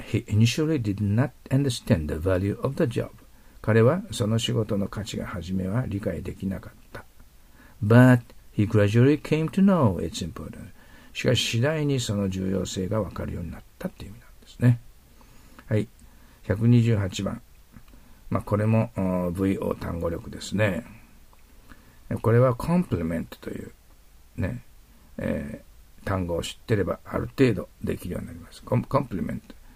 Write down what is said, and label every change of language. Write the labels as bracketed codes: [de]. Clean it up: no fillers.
[en] He initially did not understand the value of the job. [ja] 彼はその仕事の価値が初めは理解できなかった。 [en] But he gradually came to know its importance. [ja] しかし次第にその重要性が分かるようになったという意味なんですね。はい。128番。まあ、これも VO 単語力ですね。これはコンプリメントという、ね、単語を知ってればある程度できるようになります。コンプリメント。